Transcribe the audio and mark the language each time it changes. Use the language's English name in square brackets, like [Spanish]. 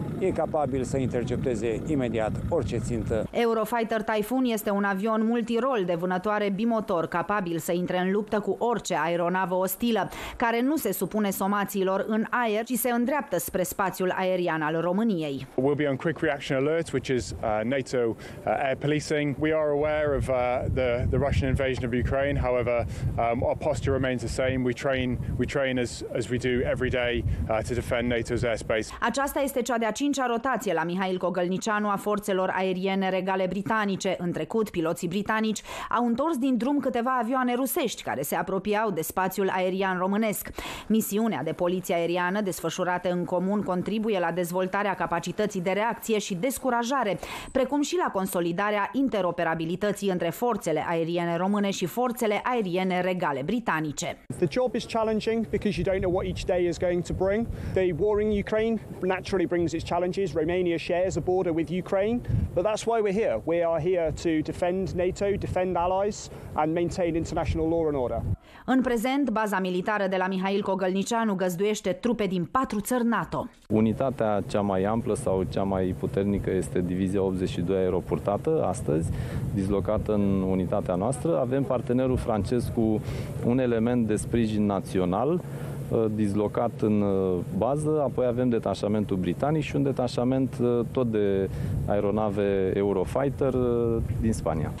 [Romanian] E capabil să intercepteze imediat orice țintă. Eurofighter Typhoon este un avion multirol de vânătoare bimotor, capabil să intre în luptă cu orice aeronavă ostilă, care nu se supune somațiilor în aer, ci se îndreaptă spre spațiul aerian al României. [English] We'll be on quick reaction alert, which is NATO air policing. We are aware of the Russian invasion of Ukraine. However, our posture remains the same. We train as we do every day to defend NATO's airspace. [Romanian] Aceasta este cea de a cincea rotație la Mihail Cogălnicianu a forțelor aeriene regale britanice. În trecut, piloții britanici au întors din drum câteva avioane rusești care se apropiau de spațiul aerian românesc. Misiunea de poliție aeriană, desfășurată în comun, contribuie la dezvoltarea capacității de reacție și descurajare, precum și la consolidarea interoperabilității între forțele aeriene române și forțele aeriene regale britanice. [English] The job is challenging because you don't know what each day is going to bring. The war in Ukraine naturally brings its challenges. Romania shares a border with Ukraine, but that's why we're here. We are here to defend NATO, defend allies and maintain international law and order. [Romanian] În prezent, baza militară de la Mihail Cogălnicianu găzduiește trupe din 4 țări NATO. Unitatea cea mai amplă sau cea mai puternică este divizia 82 aeroportată astăzi, dislocată în unitatea noastră. Avem partenerul francez cu un element de sprijin național dislocat în bază, apoi avem detașamentul britanic și un detașament tot de aeronave Eurofighter din Spania.